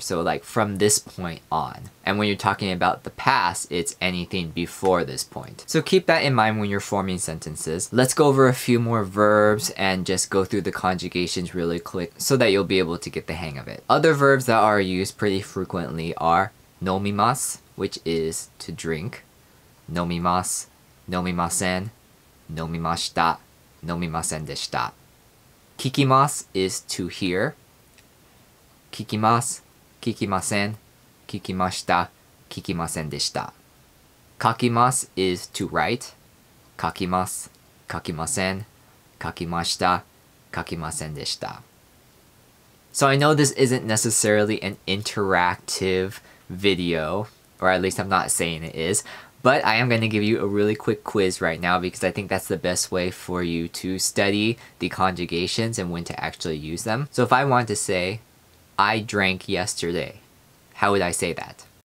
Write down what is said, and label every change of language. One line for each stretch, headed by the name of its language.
English: So like from this point on. And when you're talking about the past, it's anything before this point. So keep that in mind when you're forming sentences. Let's go over a few more verbs and just go through the conjugations really quick so that you'll be able to get the hang of it. Other verbs that are used pretty frequently are 飲みます, which is to drink.
Japanese: 飲みます, 飲みません, 飲みました, 飲みませんでした.
English: 聞きます is to hear.
Japanese: 聞きます, 聞きません, 聞きました, 聞きませんでした.
English: 書きます is to write.
Japanese: 書きます, 書きません, 書きました, 書きませんでした.
English: So I know this isn't necessarily an interactive video, or at least I'm not saying it is, but I am going to give you a really quick quiz right now because I think that's the best way for you to study the conjugations and when to actually use them. So if I wanted to say, I drank yesterday, how would I say that?